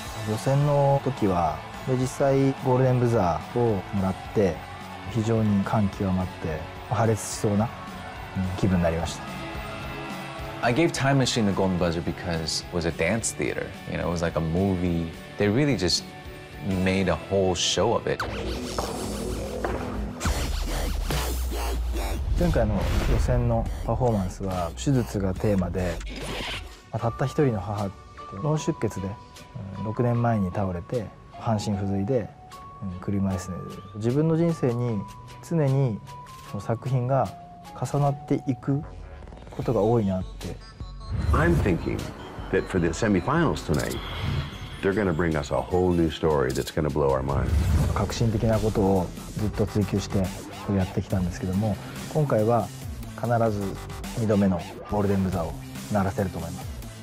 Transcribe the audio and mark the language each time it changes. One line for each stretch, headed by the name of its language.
Japanese: 予選の時は、実際ゴールデンブザーをもらって、非常に感極まって、破裂しそうな気分になりました。
English: I gave Time Machine the Golden Buzzer because it was a dance theater. You know, it was like a movie. They really just made a whole show of it.
Japanese: 前回の予選のパフォーマンスは手術がテーマで、たった一人の母、脳出血で6年前に倒れて、半身不随で、うん、車椅子で自分の人生に常にその作品が重なっていくことが多いなって
English: I'm thinking that for the semifinals tonight they're gonna bring us a whole new story that's gonna blow our minds
Japanese: 革新的なことをずっと追求してやってきたんですけども今回は必ず2度目のゴールデンブザーを鳴らせると思います